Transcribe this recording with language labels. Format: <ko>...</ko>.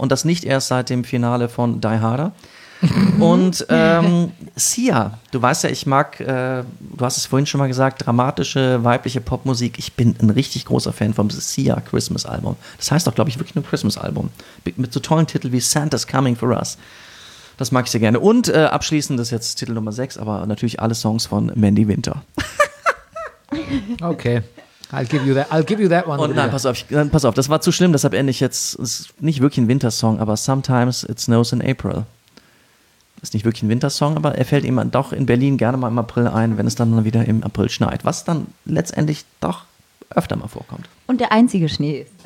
<de>Und das nicht erst seit dem Finale von Die Harder. Und Sia, du weißt ja, ich mag, du hast es vorhin schon mal gesagt, dramatische weibliche Popmusik. Ich bin ein richtig großer Fan vom Sia Christmas Album. Das heißt auch, glaube ich, wirklich nur Christmas Album. Mit so tollen Titeln wie Santa's Coming for Us. Das mag ich sehr gerne. Und abschließend, das ist jetzt Titel Nummer 6, aber natürlich alle Songs von Mandy Winter.</de> <en>Okay, I'll give you that one.</en> <de>Und nein, pass auf, das war zu schlimm, deshalb ende ich jetzt, ist nicht wirklich ein Wintersong, aber Sometimes It Snows in April. Ist nicht wirklich ein Wintersong, aber er fällt eben doch in Berlin gerne mal im April ein, wenn es dann wieder im April schneit, was dann letztendlich doch öfter mal vorkommt. Und der einzige Schnee ist.</de>